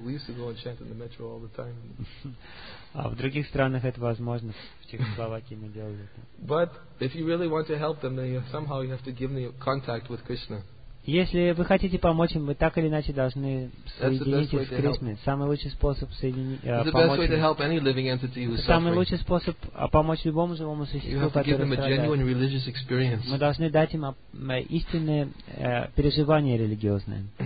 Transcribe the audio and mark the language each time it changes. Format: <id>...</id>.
<en>We used to go and chant in the metro all the time.</en> <ru>А в других странах это возможно. В Чехословакии мы делали это.</ru> <en>But if you really want to help them, then you somehow you have to give them contact with Krishna.</en> <ru>Если вы хотите помочь им, вы так или иначе должны соединиться с Кришной. Самый лучший способ самый лучший способ помочь любому живому существу, которое страдает. Мы должны дать им истинное переживание религиозное.</ru>